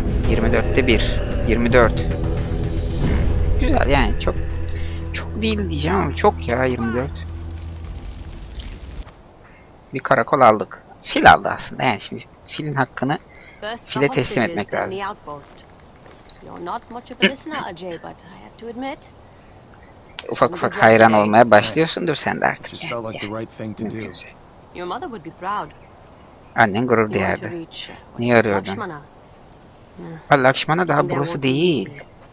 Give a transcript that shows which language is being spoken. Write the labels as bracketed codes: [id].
[tr] 24'te 1. 24. Güzel yani, çok çok değil diyeceğim ama çok ya, 24. Bir karakol aldık. Fil aldı aslında. Yani şimdi filin hakkını file teslim etmek lazım. [en] You're not much of a listener, Ajay, but I have to admit. [tr] Ufak ufak hayran olmaya başlıyorsundur sen de artık. [en] Felt like the right thing to do. Your mother would be proud. [tr] Annen gurur duyardı. Niye arıyordun? Lakshmana daha burası değil.